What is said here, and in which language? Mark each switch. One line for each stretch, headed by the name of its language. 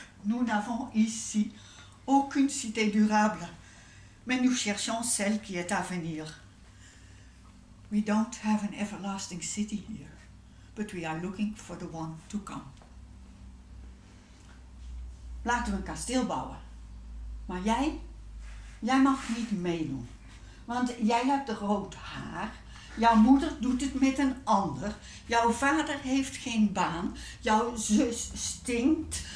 French: Nous n'avons ici aucune cité durable, mais nous cherchons celle qui est à venir.
English: We don't have an everlasting city here, but we are looking for the one to come.
Dutch: Laten we een kasteel bouwen. Maar jij? Jij mag niet meedoen. Want jij hebt rood haar. Jouw moeder doet het met een ander. Jouw vader heeft geen baan. Jouw zus stinkt.